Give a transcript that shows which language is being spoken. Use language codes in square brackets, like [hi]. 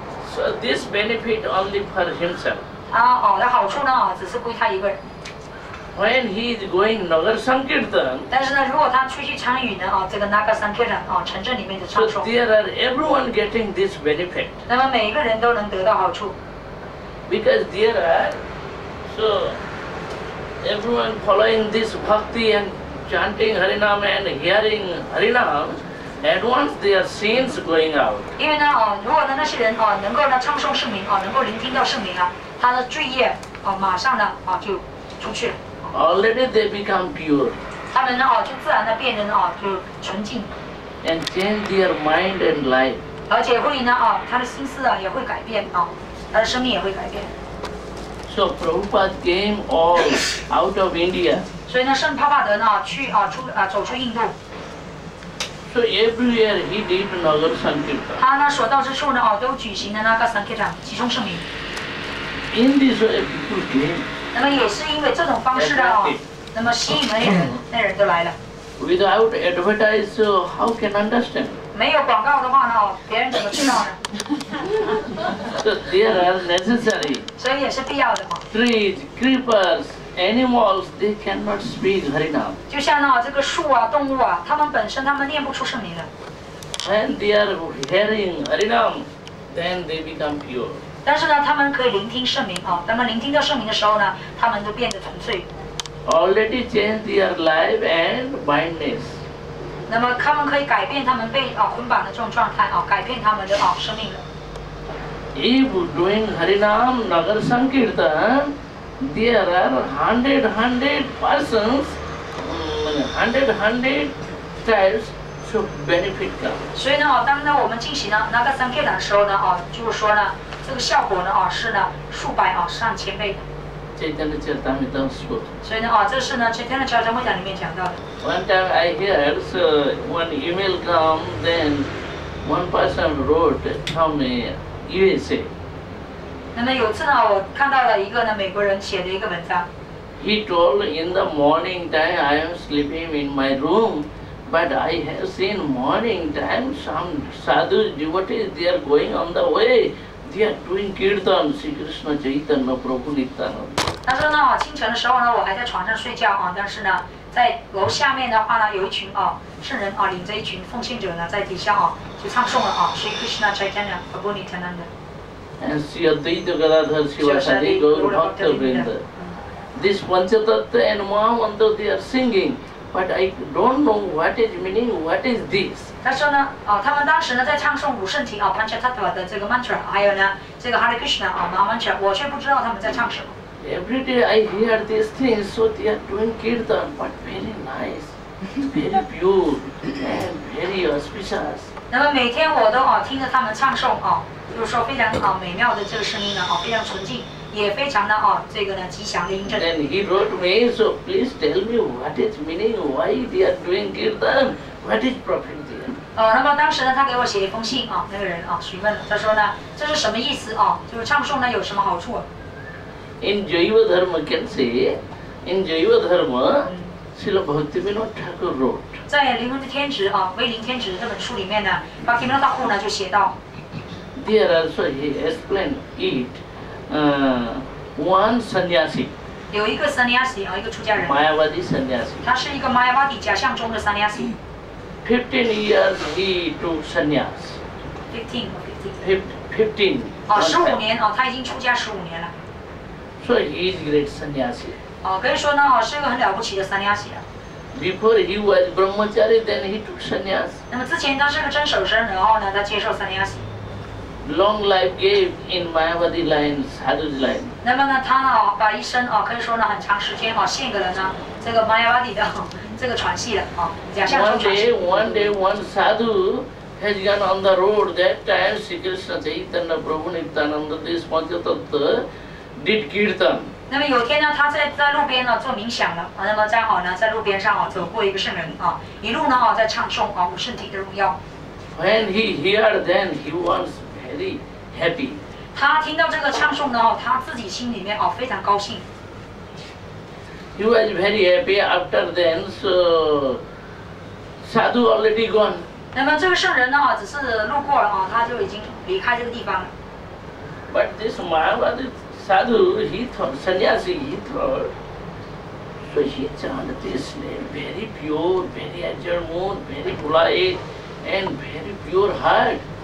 [en] ，So this benefit only for himself。 [zh] 的好处呢只是归他一个人。 [en] When he is going Nagar Sankirtan， [zh] 但是呢，如果他出去参与呢，这个 Nagar Sankirtan 城镇里面的唱诵 [en] ，So there are everyone getting this benefit。 [zh] 那么每一个人都能得到好处。 [en] Because there are, so everyone following this bhakti and chanting Harinam and hearing Harinam, at once their sins going out. [zh] 因为呢，如果呢那些人能够呢唱诵圣名能够聆听到圣名他的罪业马上呢就出去了。 [en] Already they become pure. [zh] 他们呢就自然的变成就纯净。 [en] And change their mind and life. [zh] 而且会呢他的心思也会改变他的生命也会改变。 [en] So Prabhupada came all out of India. [zh] 所以呢，圣帕帕德呢，去走出印度。 [en] So everywhere he did Nagar Sankirtan. [zh] 他呢，所到之处呢，都举行了那个 Sankirtan， 集中圣名。 [en] In this way, people came. [zh] 那么也是因为这种方式的那么吸引了那人都来了。 [en] Without advertise, how can understand? [zh] 没有广告的话呢，别人怎么知道呢？ [en] They are necessary. [zh] 所以也是必要的嘛。 [en] Trees, creepers, animals, they cannot speak Harinam. [zh] 就像呢，这个树动物他们本身他们念不出圣名的。 [en] When they are hearing Harinam, then they become pure. [zh] 但是呢，他们可以聆听圣名他们聆听到圣名的时候呢，他们都变得纯粹。 [en] Already changed their life and mindness. [zh] 那么他们可以改变他们被捆绑的这种状态改变他们的生命的。 [en] If doing Harinam Nagar Sankirtan, there are hundred persons, hundred types to benefit them. [zh] 所以呢，当呢我们进行了 Nagar Sankirtan 的时候呢，就是说呢，这个效果呢，是呢数百上千倍的。 [en] Chaitanya Charitamrita spoke. [zh] 所以呢，这是呢 Chaitanya Charitamrita 里面讲到的。 [en] One time I hear, so one email come, then one person wrote from USA. [zh] 那么有次呢，我看到了一个呢美国人写的一个文章。 [en] He told in the morning time I am sleeping in my room, but I have seen morning time some sadhu devotees they are going on the way, they are doing kirtan, Sri Krishna Chaitanya Prabhu Nityananda. [zh] 他说呢，清晨的时候呢，我还在床上睡觉但是呢。在楼下面的话呢，有一群圣人领着一群奉献者呢，在底下就唱诵了Sri Krishna Chaitanya Prabhu Nityananda。 [en] And Sri Advaita Gadadhar Shivasadi Gaur Bhaktavinoda。 This Panchatattva and Mahamantra they are singing, but I don't know what is meaning, what is this。 [zh] 他说呢，他们当时呢在唱诵五圣体Panchatattva的这个 mantra， 还有呢这个 Hare Krishna Mahamantra， 我却不知道他们在唱什么。 [en] Every day I hear these things, so they are doing kirtan, but very nice, very pure, and very auspicious. [zh] 那么每天我都听着他们唱诵就是说非常美妙的这个声音呢非常纯净，也非常的这个呢吉祥的音阵。 [en] Then he wrote me, so please tell me what is meaning, why they are doing kirtan, what is profit there? [zh] 那么当时呢，他给我写一封信啊，那个人啊询问了，他说呢，这是什么意思啊？就是唱诵呢有什么好处 [en] ？In Jaiva Dharma can say, in Jaiva Dharma, Srila Bhaktivinoda Thakur wrote. [zh] 在《灵魂的天职》啊，《威灵天职》这本书里面呢 ，Bhaktivinoda Thakur 呢就写到 [en] ，There also he explained it, one sannyasi. [zh] 有一个 sannyasi 一个出家人 [en] Mayavadi sannyasi [zh] 他是一个 Mayavadi 假象中的 sannyasi [en] 15 years he took sannyas [zh] 15年、他已经出家15年了 [en] so he is great sannyasi [zh] 可以说呢是一个很了不起的 sannyasi [en] before he was brahmachari then he took sannyas [zh] 那么之前他是个真守身然后呢他接受 sannyasi [en] Long life gave in Mayavadi line, Sadhu's line. [zh] 那么呢，他呢，把一生可以说呢，很长时间献给了呢，这个 Mayavadi 的这个传系了假象中传系。 [en] One day, one Sadhu has gone on the road. That time, Sri Krishna Chaitanya Prabhu Nityananda this Panchatattva did kirtan. [zh] 那么有天呢，他在路边呢做冥想了那么再好呢，在路边上走过一个圣人一路呢在唱诵五圣体的荣耀。 [en] When he heard, then he wants. Very happy. [zh] 他听到这个唱诵呢，他自己心里面非常高兴。 [en] He was very happy after then, so Sadhu already gone. [zh] 那么这个圣人呢，只是路过了他就已经离开这个地方了。 [en] But this Mayavadi Sadhu, he thought sannyasi, he thought, so he chanted this name, very pure, very azure moon, very polite, and very pure heart.